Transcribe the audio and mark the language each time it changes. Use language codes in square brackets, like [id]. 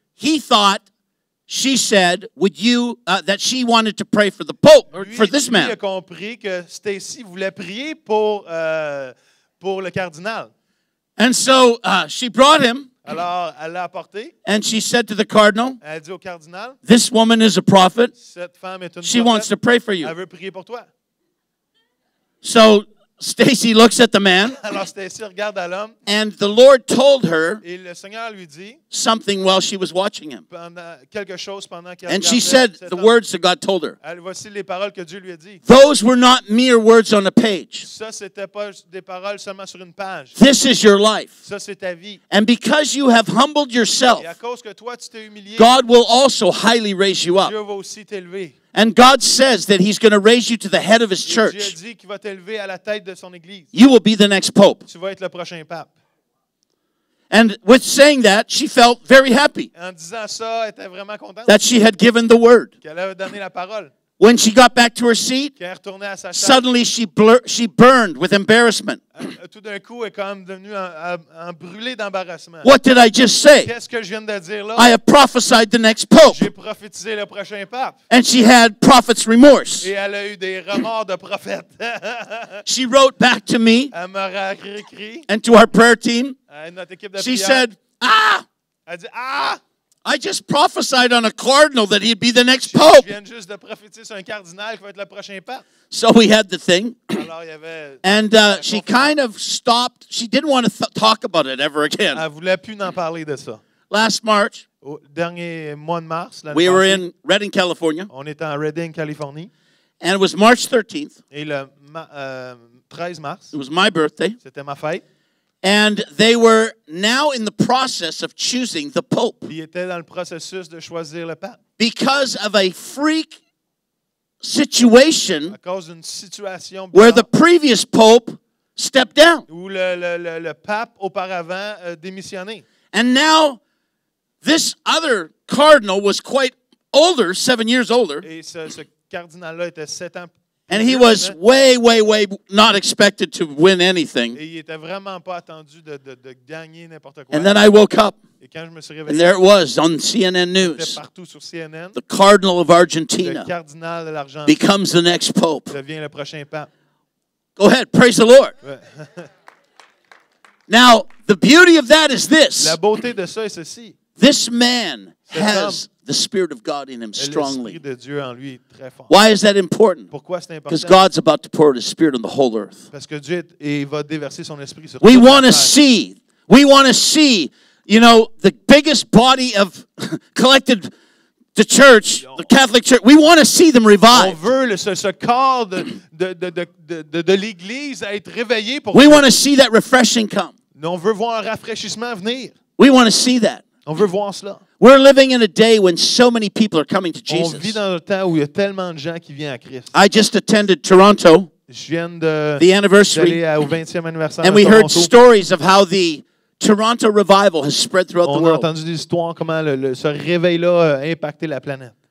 [en] He thought she said, "Would you that she wanted to pray for the Pope or for this man?" [fr] Lui a compris que Stacy voulait prier pour le cardinal. [en] And so she brought him. [fr] Alors elle l'a apporté. [en] And she said to the cardinal. [fr] Elle dit au cardinal. [en] This woman is a prophet. [fr] Cette femme est une prophète. [en] She wants to pray for you. [fr] Elle veut prier pour toi. [en] So Stacy looks at the man. [fr] Alors Stacy regarde à l'homme. [en] And the Lord told her [fr] et le Seigneur lui dit [en] something while she was watching him. [fr] Pendant, quelque chose pendant qu'elle [en] and she said the [fr] homme. [en] Words that God told her. [fr] Alors, voici les paroles que Dieu lui a dit. [en] Those were not mere words on a page. [fr] Ça, c'était pas des paroles seulement sur une page. [en] This is your life. [fr] Ça, c'est ta vie. [en] And because you have humbled yourself, [fr] et à cause que toi, tu t'es humilié, [en] God will also highly raise you up. [fr] Dieu va aussi t'élever. [en] And God says that he's going to raise you to the head of his church. [fr] Dieu dit qu'il va t'élever à la tête de son église. [en] You will be the next pope. [fr] Tu vas être le prochain pape. [en] And with saying that, she felt very happy. [fr] En disant ça, elle était vraiment contente. [en] That she had given the word. [fr] Qu'elle avait donné la parole. [en] When she got back to her seat, [fr] qu'elle est retournée à sa chaise, [en] suddenly she burned with embarrassment. [fr] Tout d'un coup, elle est quand même devenue en brûlé d'embarrassement. [en] What did I just say? [fr] Qu'est-ce que je viens de dire là? [en] I have prophesied the next pope. [fr] J'ai prophétisé le prochain pape. [en] And she had prophet's remorse. [fr] Et elle a eu des remords de prophète. [en] She wrote back to me. [fr] Elle m'a réécrit. [en] And to our prayer team. [fr] Notre équipe de [en] she [fr] prière. [en] Said, ah! [fr] Elle dit, ah! [en] I just prophesied on a cardinal that he'd be the next pope. [fr] Je viens juste de prophétiser sur un cardinal qui va être le prochain pape. [en] So we had the thing. [fr] Alors, il y avait [en] and she kind of stopped. She didn't want to talk about it ever again. [fr] Elle voulait plus n'en parler de ça. [en] Last March, [fr] au dernier mois de mars, l'année [en] we were in Redding, California. [fr] On était en Redding, Californie. [en] And it was March 13th. [fr] Et le 13 mars. [en] It was my birthday. [fr] C'était ma fête. [en] And they were now in the process of choosing the pope. [fr] Ils étaient dans le processus de choisir le pape. [en] Because of a freak situation, [fr] à cause d'une situation [en] where the previous pope stepped down. [fr] Où le pape auparavant a démissionné. [en] And now this other cardinal was quite older, 7 years older. [fr] Et ce cardinal-là était 7 ans plus. [en] And he was way, way, way not expected to win anything. [fr] Et il était vraiment pas attendu de gagner n'importe quoi. [en] And then I woke up. [fr] Et quand je me suis réveillé, [en] and there it was on CNN News. [fr] C'était partout sur CNN. [en] The cardinal of Argentina. [fr] Le cardinal de l'Argentine. [en] Becomes the next pope. [fr] Devient le prochain pape. [en] Go ahead, praise the Lord. [fr] Ouais. [en] Now, the beauty of that is this. [fr] La beauté de ça est ceci. [en] This man has the Spirit of God in him strongly. [fr] L'Esprit de Dieu en lui est très fort. [en] Why is that important? [fr] Pourquoi c'est important? [en] Because God's about to pour out his Spirit on the whole earth. [fr] Parce que Dieu va déverser son esprit sur [en] we want to see. We want to see, you know, the biggest body of collected the church, the Catholic Church, we want to see them revived. [fr] On veut ce corps de l'Église à être réveillé pour [en] we want to see that refreshing come. [fr] On veut voir un rafraîchissement venir. [en] We want to see that. [fr] On veut voir cela. [en] We're living in a day when so many people are coming to Jesus. [fr] On vit dans un temps où il y a tellement de gens qui viennent à Christ. [en] I just attended Toronto. [fr] Je viens de [en] the anniversary. [fr] D'aller au 20e anniversaire [en] and [fr] de [en] we [fr] Toronto. [en] Heard stories of how the Toronto revival has spread throughout the world. [fr] On a entendu des histoires comment ce réveil-là a impacté la planète.